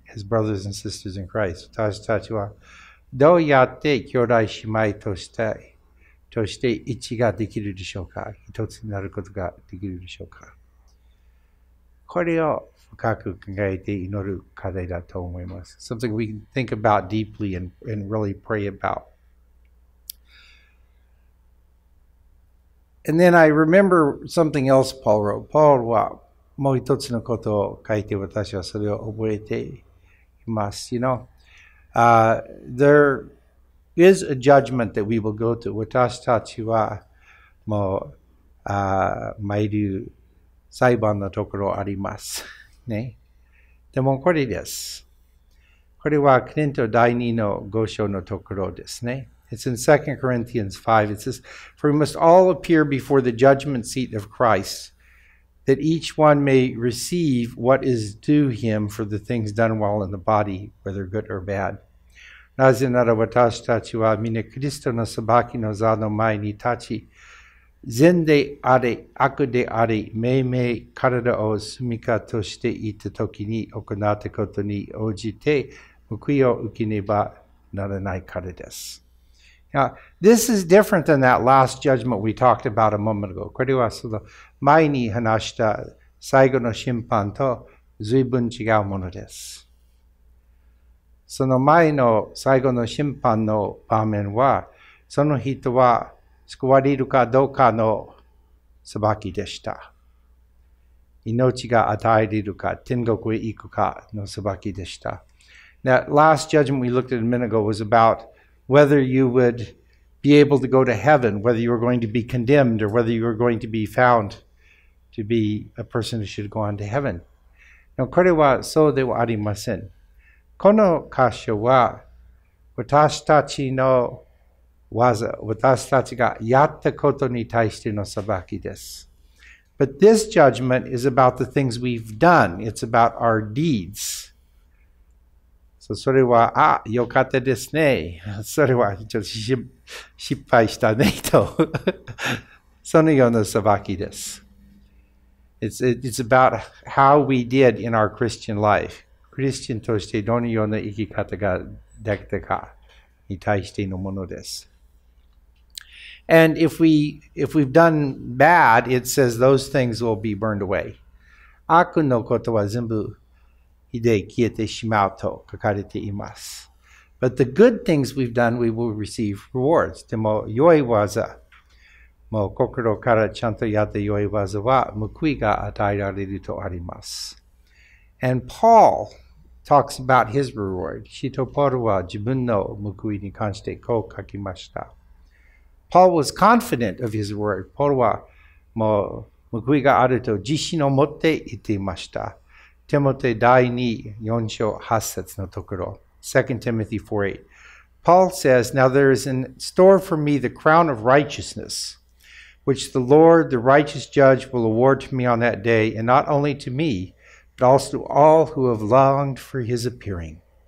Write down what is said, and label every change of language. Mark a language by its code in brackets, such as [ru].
[en] His brothers and sisters in Christ. [ja] 私たちはどうやって兄弟姉妹として一致ができるでしょうか一つになることができるでしょうかこれを深く考えて祈る課題だと思います。 [en] Something we can think about deeply and really pray about. And then I remember something else Paul wrote. [ja] Paul はもう一つのことを書いて私はそれを覚えて [en] Must, you know, there is a judgment that we will go to. [ja] 私たちはもう参る裁判のところあります。ね。でもこれです。これはコリント第二の五章のところですね。 [en] It's in 2 Corinthians 5. It says, For we must all appear before the judgment seat of Christ. That each one may receive what is due him for the things done while in the body, whether good or bad. [ja] なぜなら私たちはみんなキリストの裁きの座の前に立ち、善であれ、悪であれ、命々体を住みかとしていたときに行ったことに応じて報いを受けねばならないからです。 [en] Now, this is different than that last judgment we talked about a moment ago. [ja] これはその前に話した最後の審判と随分違うものです。その前の最後の審判の場面は、その人は救われるかどうかの裁きでした。命が与えられるか、天国へ行くかの裁きでした。 [en] That last judgment we looked at a minute ago was aboutWhether you would be able to go to heaven, whether you were going to be condemned, or whether you were going to be found to be a person who should go on to heaven. [ja] Now, これはそうではありません。この箇所は私たちの技、私たちがやったことに対しての裁きです。 [en] But this judgment is about the things we've done. It's about our deeds. [ja] So, それは、あ、よかったですね。それは、ちょっと失敗したねと。そのような裁きです。 [en] It's about how we did in our Christian life. [ja] クリスチャンとしてどのような生き方ができたかに対してのものです。 [en] And if we've done bad, it says those things will be burned away. [ja] 悪のことは全部。で消えてしまうと書かれています。 [en] But the good things we've done, we will receive rewards. [ja] でも良い技、もう心からちゃんとやって良い技は報いが与えられるとあります。 [en] And Paul talks about his reward. [ja] 使徒ポールは自分の報いに関してこう書きました。 [en] Paul was confident of his reward. [ja] ポールはもう報いがあると自信を持って言っていました。テモテ第2、4章8節のところ。 [en] 2 Timothy 4:8. Paul says, Now there is in store for me the crown of righteousness, which the Lord, the righteous judge, will award to me on that day, and not only to me, but also to all who have longed for his appearing.